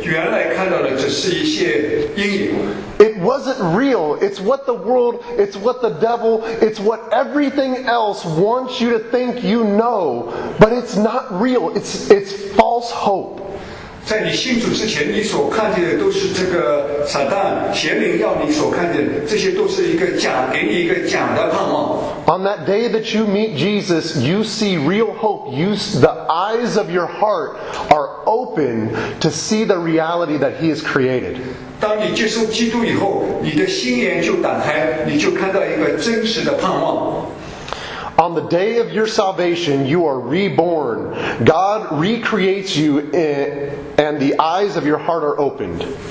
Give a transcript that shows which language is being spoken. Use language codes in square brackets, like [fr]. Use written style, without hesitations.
[en] It wasn't real. It's what the devil, it's what everything else wants you to think you know, but it's not real. It's false hope. [zh] 在你信主之前，你所看见的都是这个撒旦邪灵要你所看见的，这些都是一个假，给你一个假的盼望。 [en] On that day that you meet Jesus, you see real hope. The eyes of your heart are open to see the reality that He has created. [zh] 当你接受基督以后，你的心眼就打开，你就看到一个真实的盼望。 [en] On the day of your salvation, you are reborn. God recreates you and the eyes of your heart are opened.